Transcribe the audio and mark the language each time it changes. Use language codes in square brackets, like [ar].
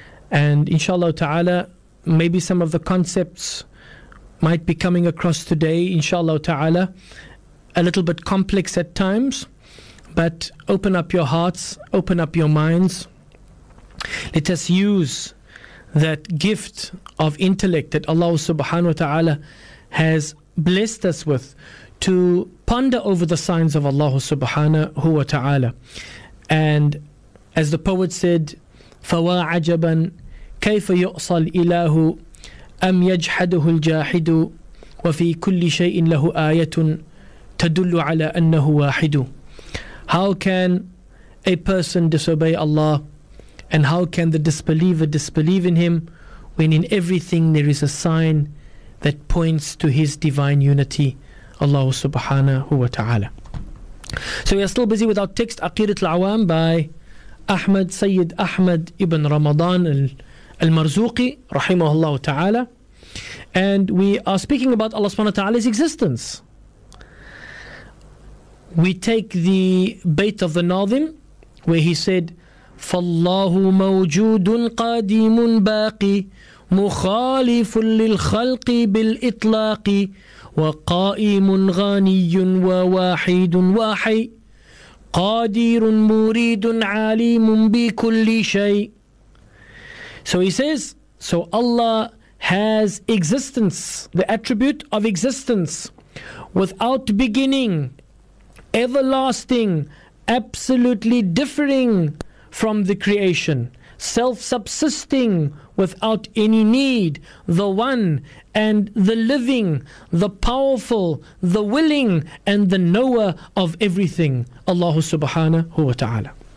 [en] And inshallah ta'ala, maybe some of the concepts might be coming across today, inshallah ta'ala, a little bit complex at times, but open up your hearts, open up your minds. Let us use that gift of intellect that Allah subhanahu wa ta'ala has blessed us with to ponder over the signs of Allah subhanahu wa ta'ala. And as the poet said, [ar] فَوَا عَجَبًا كَيْفَ يُؤْصَى الْإِلَهُ أَمْ يَجْحَدُهُ الْجَاحِدُ وَفِي كُلِّ شَيْءٍ لَهُ آيَةٌ تَدُلُّ عَلَىٰ أَنَّهُ وَاحِدٌ. [en] How can a person disobey Allah, and how can the disbeliever disbelieve in Him, when in everything there is a sign that points to His divine unity, Allah subhanahu wa ta'ala. So we are still busy with our text, Aqeedat al-Awam, by Ahmad, Sayyid Ahmad ibn Ramadan al-Marzuqi, rahimahullah ta'ala. And we are speaking about Allah subhanahu wa ta'ala's existence. We take the bait of the Nadhim, where he said, [ar] فَاللَّهُ مَوْجُودٌ قَادِيمٌ بَاقِي مُخَالِفٌ لِلْخَلْقِ بِالْإِطْلَاقِ وَقَائِمٌ غَانِيٌ وَوَاحِدٌ وَاحِي قَادِيرٌ مُرِيدٌ عَلِيمٌ بِكُلِّ شَيْءٍ. [en] So he says, so Allah has existence, the attribute of existence, without beginning, everlasting, absolutely differing from the creation, self-subsisting without any need, the one and the living, the powerful, the willing, and the knower of everything, Allah subhanahu wa ta'ala.